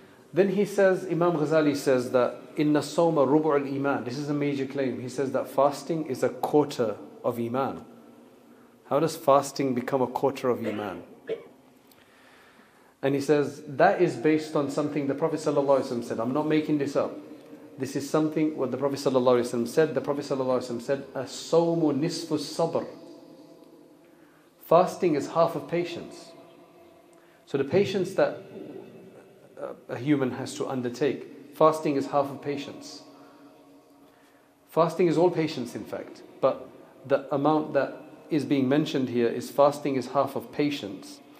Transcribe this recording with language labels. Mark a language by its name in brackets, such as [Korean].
[English] Then he says, Imam Ghazali says that [Arabic] إِنَّ الصَّوْمَ رُبُعُ الْإِيمَانِ. [English] This is a major claim. He says that fasting is a quarter of Iman. How does fasting become a quarter of Iman? And he says, that is based on something the Prophet ﷺ said. I'm not making this up. This is something what the Prophet ﷺ said. The Prophet ﷺ said, [Arabic] أَصَوْمُ نِصْفُ الصَّبْرِ. [English] Fasting is half of patience. So the patience that a human has to undertake, fasting is half of patience. Fasting is all patience, in fact. But the amount that is being mentioned here is fasting is half of patience.